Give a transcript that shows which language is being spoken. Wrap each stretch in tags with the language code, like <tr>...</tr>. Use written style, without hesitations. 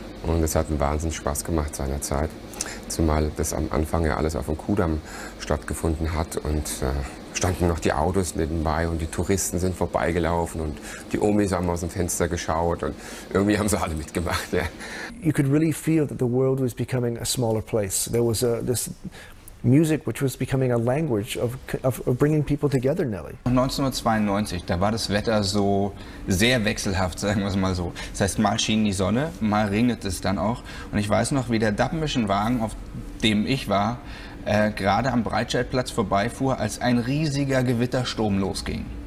<de>Und es hat einen Wahnsinn Spaß gemacht seinerzeit. Zumal das am Anfang ja alles auf dem Kudamm stattgefunden hat und standen noch die Autos nebenbei und die Touristen sind vorbeigelaufen und die Omis haben aus dem Fenster geschaut und irgendwie haben sie alle mitgemacht. Ja.</de> <en>You could really feel that the world was becoming a smaller place. There was this music which was becoming a language of bringing people together, Nelly.</en> <de>1992, da war das Wetter so sehr wechselhaft, sagen wir es mal so. Das heißt, mal schien die Sonne, mal regnet es dann auch. Und ich weiß noch, wie der Dubmission-Wagen, auf dem ich war, gerade am Breitscheidplatz vorbeifuhr, als ein riesiger Gewittersturm losging.</de>